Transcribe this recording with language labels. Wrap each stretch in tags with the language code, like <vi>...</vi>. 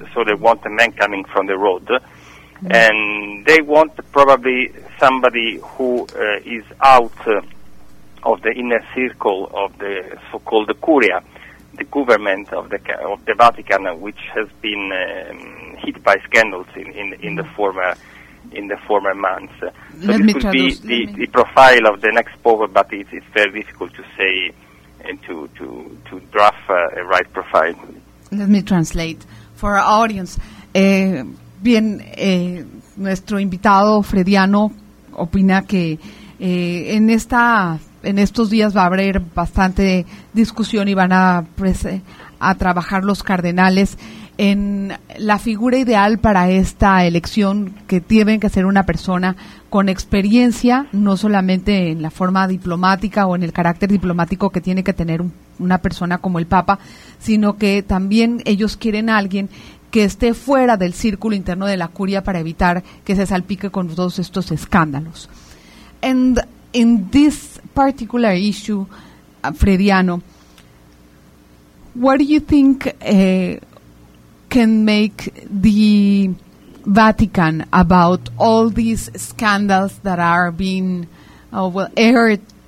<en>So they want a man coming from the road. Mm-hmm. And they want probably somebody who is out of the inner circle of the so-called Curia, the government of the Vatican, which has been hit by scandals in the former months. So let this could be the profile of the next Pope, but it's very difficult to say and to draft a right profile. Let me translate for our audience.</en> <es>Bien, nuestro invitado Frediano opina que en estos días va a haber bastante discusión y van a trabajar los cardenales en la figura ideal para esta elección, que tienen que ser una persona con experiencia, no solamente en la forma diplomática o en el carácter diplomático que tiene que tener una persona como el Papa, sino que también ellos quieren a alguien que esté fuera del círculo interno de la curia para evitar que se salpique con todos estos escándalos.</es> <en>And in this particular issue, Frediano, what do you think can make the Vatican about all these scandals that are being aired</en>